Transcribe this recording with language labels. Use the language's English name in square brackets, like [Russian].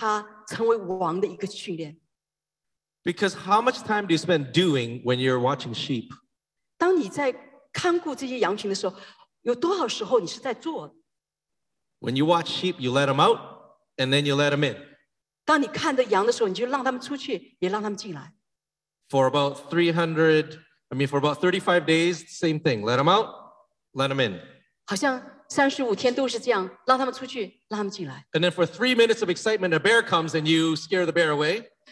[Chinese] 看顾这些羊群是他成为王的一个训练。 [English] Because how much time do you spend doing when you're watching sheep? [Chinese] 当你在看顾这些羊群的时候,有多少时候你是在做? [English] When you watch sheep, you let them out, and then you let them in. [Chinese] 当你看着羊的时候,你就让他们出去,也让他们进来。 [English] For about 35 days, same thing. Let them out, let them in. [Chinese] 好像35天都是这样,让他们出去,让他们进来。 [English] And then for 3 minutes of excitement, a bear comes and you scare the bear away.